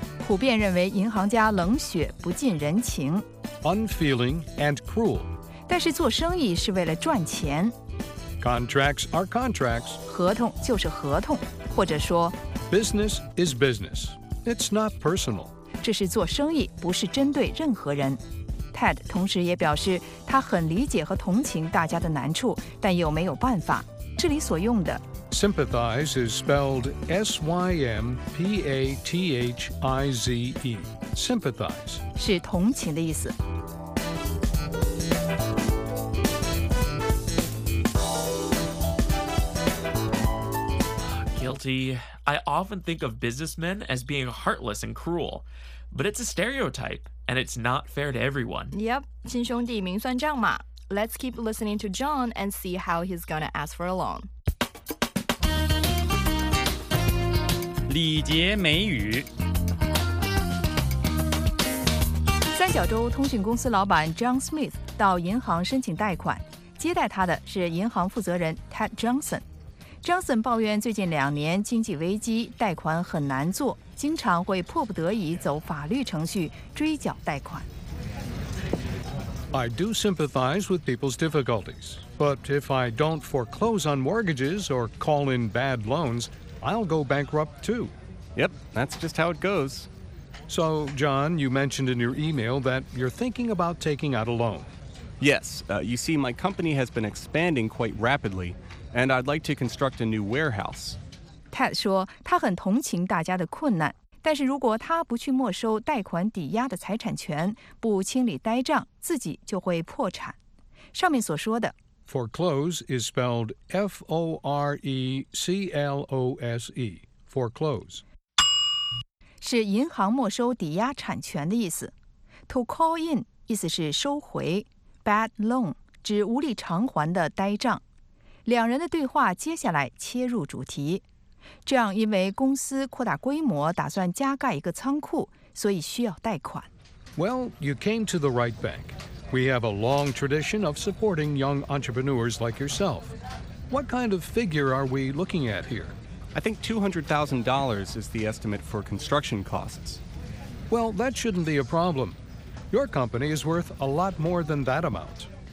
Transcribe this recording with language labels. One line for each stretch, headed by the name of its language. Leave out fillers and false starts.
Chinese: 普遍认为银行家冷血不近人情
English: unfeeling and cruel
Chinese: 但是做生意是为了赚钱
English: contracts are contracts
Chinese: 合同就是合同或者说
English: business is business it's not personal
Chinese: 这是做生意不是针对任何人 Ted 同时也表示他很理解和同情大家的难处但又没有办法这里所用的
English: Sympathize is spelled S-Y-M-P-A-T-H-I-Z-E. Sympathize.
Chinese: 是同情的意思。
English: Guilty. I often think of businessmen as being heartless and cruel, but it's a stereotype, and it's not fair to everyone.
Chinese: Yep, 亲兄弟明算账嘛。
English: Let's keep listening to John and see how he's gonna ask for a loan.
Chinese: 礼节美语。三角洲通讯公司老板 John Smith 到银行申请贷款，接待他的是银行负责人 Ted Johnson。 Johnson 抱怨最近两年经济危机，贷款很难做，经常会迫不得已走法律程序追缴贷款。
English: I do sympathize with people's difficulties, but if I don't foreclose on mortgages or call in bad loans. I'll go bankrupt, too. Yep, that's just how it goes. So, John, you mentioned in your email that you're thinking about taking out a loan. Yes. You see, my company has been expanding quite rapidly, and I'd like to construct a new warehouse.
Chinese: Ted 说他很同情大家的困难，但是如果他不去没收贷款抵押的财产权，不清理呆账，自己就会破产。上面所说的
English: Foreclose is spelled F-O-R-E-C-L-O-S-E. Foreclose.
Chinese: 是银行没收抵押产权的意思。 To call in 意思是收回。 Bad loan 指无力偿还的呆账。两人的对话接下来切入主题。这样因为公司扩大规模打算加盖一个仓库所以需要贷款。
English: Well, you came to the right bank. We have a long tradition of supporting young entrepreneurs like yourself. What kind of figure are we looking at here? I think $200,000 is the estimate for construction costs. Well, that shouldn't be a problem. Your company is worth a lot more than that amount.